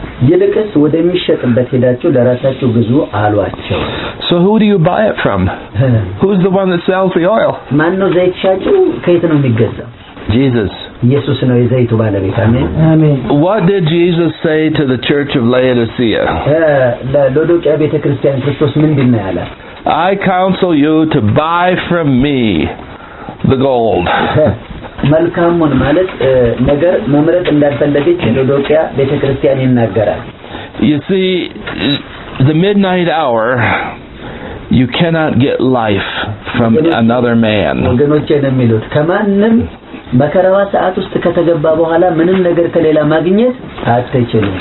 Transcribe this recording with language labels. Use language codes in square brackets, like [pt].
[am] ይልቅስ ወደሚሸጥበት ሄዳችሁ ለራሳችሁ ግዙ አሏቸው. [en] So who do you buy it from? Who's the one that sells the oil? [am] ማነው ዘይት ሻጩ? ከየት ነው የሚገዛው? [en] Jesus. [am] ኢየሱስ ነው የዘይቱ ባለቤት. አሜን. አሜን. [en] What did Jesus say to the church of Laodicea? [am] ለሎዶቅያ ቤተክርስቲያን ክርስቶስ ምንድን ነው ያለ? [en] I counsel you to buy from me the gold. [am] መልካሙን ማለት ነገር መምረጥ እንዳልፈለገች ሎዶቅያ ቤተክርስቲያን ይናገራል. [en] You see, the midnight hour, you cannot get life from another man. [am] ወገኖቼ ነው የሚሉት ከማንም መከራዋ ሰዓት ውስጥ ከተገባ በኋላ ምንም ነገር ከሌላ ማግኘት አትችልም.